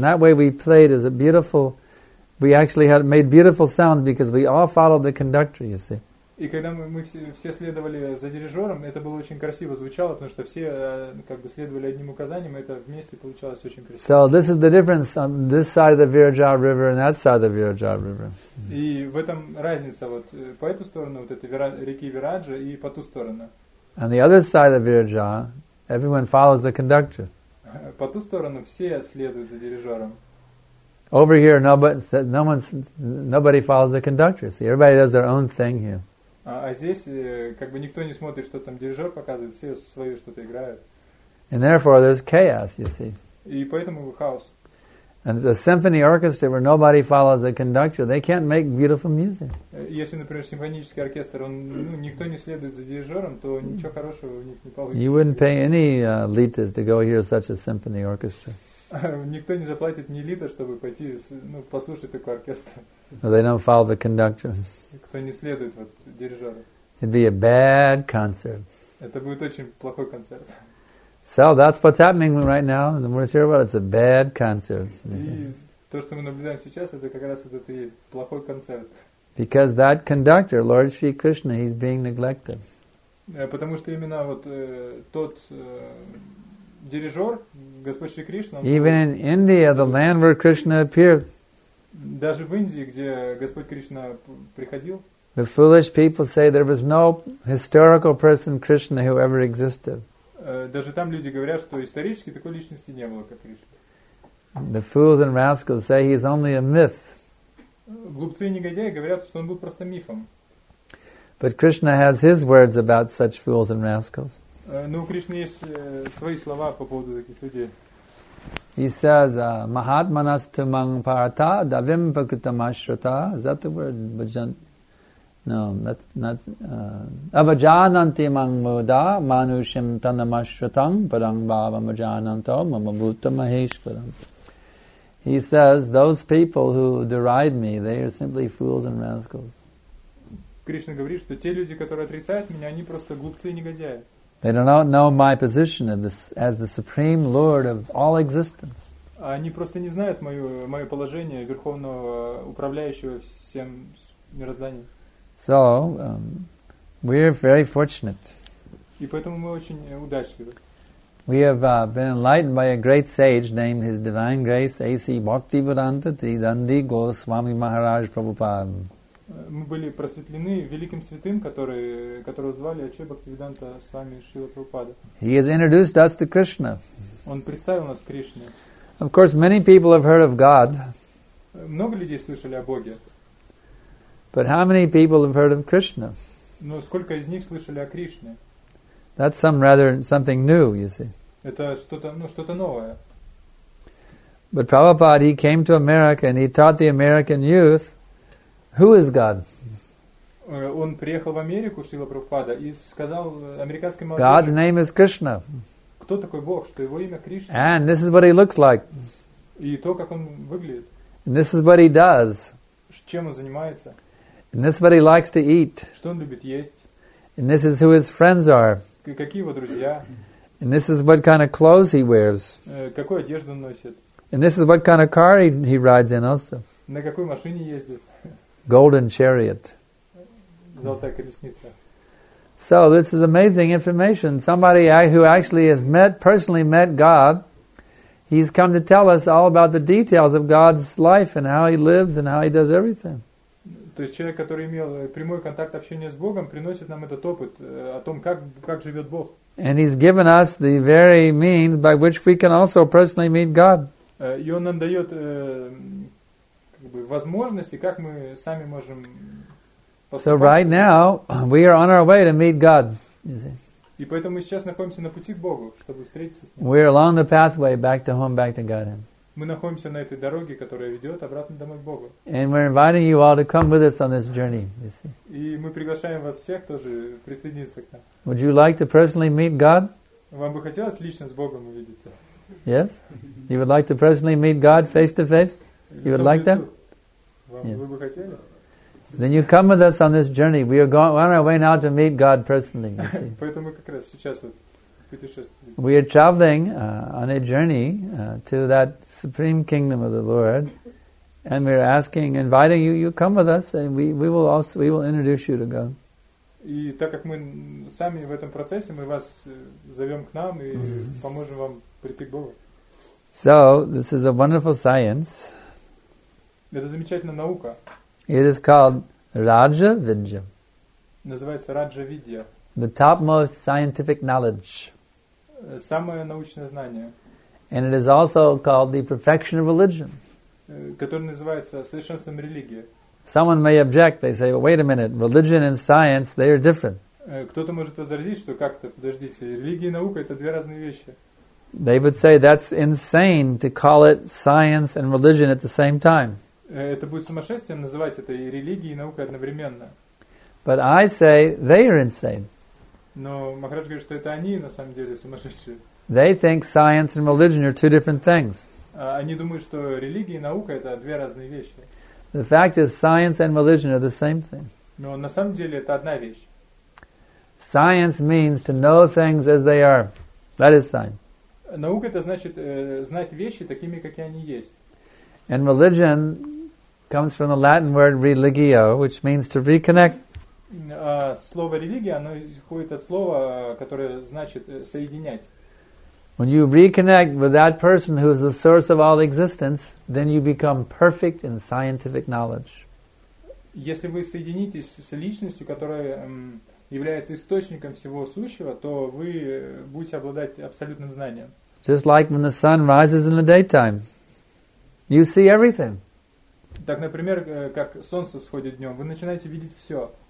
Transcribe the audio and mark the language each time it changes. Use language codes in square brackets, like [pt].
[en] That way we played as a beautiful, we actually had made beautiful sounds because we all followed the conductor, you see. [ru] И когда мы все следовали за дирижером, это было очень красиво звучало, потому что все как бы следовали одним указанием, это вместе получалось очень красиво. [en] So this is the difference on this side of the Viraja River and that side of the Viraja River. [ru] И в этом разница вот по эту сторону вот этой реки Вираджа и по ту сторону. [en] On the other side of Viraja, everyone follows the conductor. [ru] По ту сторону все следуют за дирижером. [en] Over here, nobody follows the conductor. See, everybody does their own thing here. [ru] А здесь как бы никто не смотрит, что там дирижер показывает, все свои что-то играют. [en] And therefore, there's chaos, you see. [ru] И поэтому хаос. [en] And a symphony orchestra where nobody follows the conductor, they can't make beautiful music. [ru] Если, например, симфонический оркестр, никто не следует за дирижером, то ничего хорошего в них не получится. [en] You wouldn't pay any litas to go hear such a symphony orchestra. [ru] Никто не заплатит ни лита, чтобы пойти, послушать такой оркестр. [en] They don't follow the conductor. [ru] Кто не следует вот дирижеру. [en] It'd be a bad concert. [ru] Это будет очень плохой концерт. [en] So that's what's happening right now. The more you hear about it, it's a bad concert. [ru] И то, что мы наблюдаем сейчас, это как раз вот это и есть плохой концерт. [en] Because that conductor, Lord Shri Krishna, he's being neglected. [ru] Потому что именно вот тот дирижер, Господь Шри Кришна. [en] Even in India, the land where Krishna appeared. [ru] Даже в Индии, где Господь Кришна приходил. [en] The foolish people say there was no historical person Krishna who ever existed. [ru] Даже там люди говорят, что исторически такой личности не было, как Кришна. [en] The fools and rascals say he is only a myth. [ru] Глупцы и негодяи говорят, что он был просто мифом. [en] But Krishna has his words about such fools and rascals. [ru] Но у Кришны есть свои слова по поводу таких людей. [en] He says, [sa] "Mahatmanas tumang paratha davim pakritam ashrata." [en] Is that the word? No, that's not. [sa] Avajananti mangvoda manushim tanamashratam parang bhava majananto mamabhuta maheshwaram. [en] He says, those people who deride me, they are simply fools and rascals. [ru] Кришна говорит, что те люди, которые отрицают меня, они просто глупцы и негодяи. [en] They do not know my position as the supreme lord of all existence. [ru] Они просто не знают мое положение верховного управляющего всем мирозданием. [en] So, we are very fortunate. [ru] И поэтому мы очень удачливы. [en] We have been enlightened by a great sage named His Divine Grace A.C. Bhaktivedanta Tridandi Goswami Maharaj Prabhupada. [ru] Мы были просветлены великим святым, которого звали Ачай Бхактивиданта с вами Шрила Прабхупада. [en] He has introduced us to Krishna. [ru] Он представил нас Кришне. [en] Of course, many people have heard of God. [ru] Много людей слышали о Боге. [en] But how many people have heard of Krishna? [ru] Но сколько из них слышали о Кришне? [en] That's something new, you see. [ru] Это что-то новое. [en] But Prabhupada, he came to America and he taught the American youth, who is God? [ru] Он приехал в Америку, Шрила Прабхупада, и сказал американским молодежи, [en] God's name is Krishna. [ru] Кто такой Бог, что его имя Кришна? [en] And this is what he looks like. [ru] И то, как он выглядит. [en] And this is what he does. [ru] Чем он занимается? [en] And this is what he likes to eat. [ru] Что он любит есть? [en] And this is who his friends are. [ru] Какие его друзья? [en] And this is what kind of clothes he wears. [ru] Какую одежду он носит? [en] And this is what kind of car he rides in also. [ru] На какой машине ездит? [en] Golden chariot. [ru] Золотая колесница. [en] So this is amazing information. Somebody who actually has personally met God, he's come to tell us all about the details of God's life and how he lives and how he does everything. [ru] То есть человек, который имел прямой контакт общения с Богом, приносит нам этот опыт о том, как живет Бог. [en] And he's given us the very means by which we can also personally meet God. [ru] И он нам дает как бы возможности, как мы сами можем. [en] So right now we are on our way to meet God. You see. [ru] И поэтому мы сейчас находимся на пути к Богу, чтобы встретиться с Ним. [en] We are along the pathway back to home, back to Godhead. [ru] Мы находимся на этой дороге, которая ведет обратно домой к Богу. [en] And we're inviting you all to come with us on this journey. You see. [ru] И мы приглашаем вас всех тоже присоединиться к нам. [en] Would you like to personally meet God? [ru] Вам бы хотелось лично с Богом увидеться? [en] Yes. You would like to personally meet God face to face? You would like that? [ru] Yeah. Вы бы хотели? [en] Then you come with us on this journey. We are going on our way now to meet God personally. You see. [ru] Поэтому как раз сейчас вот путешествуем. [en] We are traveling on a journey to that supreme kingdom of the Lord, and we are asking, inviting you. You come with us, and we will introduce you to God. [ru] И так как мы сами в этом процессе, мы вас зовем к нам и поможем вам прийти к Богу. [en] So this is a wonderful science. [ru] Это замечательная наука. [en] It is called Raja Vidya. [ru] Называется Раджа Видья. [en] The topmost scientific knowledge. [ru] Самое научное знание. [en] And it is also called the perfection of religion. [ru] Которое называется совершенством религии. [en] Someone may object. They say, well, "Wait a minute, religion and science, they are different." [ru] Кто-то может возразить, что как-то подождите, религия и наука это две разные вещи. [en] They would say that's insane to call it science and religion at the same time. [ru] Это будет сумасшествием называть это и религией, и наукой одновременно. [en] But I say they are insane. [ru] Но Махарадж говорит, что это они на самом деле сумасшедшие. [en] They think science and religion are two different things. [ru] Они думают, что религия и наука это две разные вещи. [en] The fact is, science and religion are the same thing. [ru] Но на самом деле это одна вещь. [en] Science means to know things as they are. That is science. [ru] Наука это значит знать вещи такими, какие они есть. [en] And religion comes from the Latin word religio, which means to reconnect. [ru] Слово религия, оно исходит от слова, которое значит соединять. [en] When you reconnect with that person who is the source of all existence, then you become perfect in scientific knowledge. [ru] Если вы соединитесь с личностью, которая является источником всего сущего, то вы будете обладать абсолютным знанием. [en] Just like when the sun rises in the daytime. You see everything. [ru] Так, например, как солнце всходит днем, вы начинаете видеть все.